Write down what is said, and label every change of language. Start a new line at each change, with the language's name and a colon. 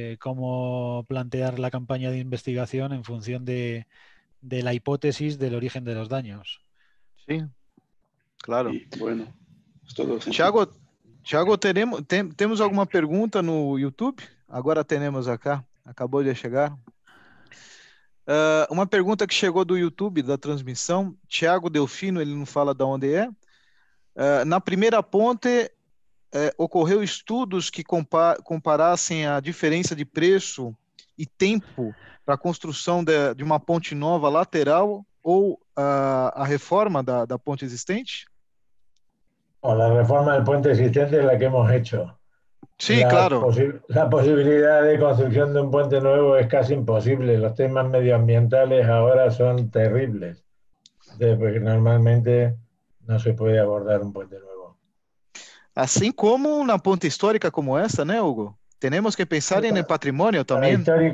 Spanish: Cómo plantear la campaña de investigación en función de la hipótesis del origen de los daños. Sí, claro. Y bueno, es todo. Thiago, ¿tenemos alguna pregunta en YouTube? Ahora tenemos acá, acabó de llegar.
Portuguese: Uma pergunta que chegou do YouTube, da transmissão. Thiago Delfino, ele não fala de onde é. Na primeira ponte, ocorreu estudos que comparassem a diferença de preço e tempo para a construção de uma ponte nova lateral ou a reforma da ponte existente? A reforma da ponte existente é a que hemos feito.
Spanish: Sí, claro. La posibilidad de construcción de un puente nuevo es casi imposible. Los temas medioambientales ahora son terribles. Porque normalmente no se puede abordar un puente nuevo. Así como una ponte histórica como esta, ¿no, Hugo? Tenemos que pensar en el patrimonio también.